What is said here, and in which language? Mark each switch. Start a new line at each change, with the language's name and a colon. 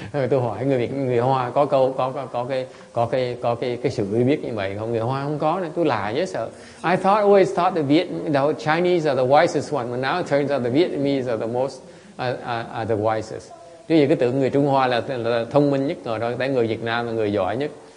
Vietnamese: Tôi hỏi người Việt, người Hoa có câu có cái sự hiểu biết như vậy không? Người Hoa không có nên tôi lạ dễ sợ.
English: I thought always thought the Chinese are the wisest one, but now it turns out the Vietnamese are the most are the wisest.
Vietnamese: Chứ gì cứ tưởng người Trung Hoa là thông minh nhất rồi đó, tại người Việt Nam là người giỏi nhất.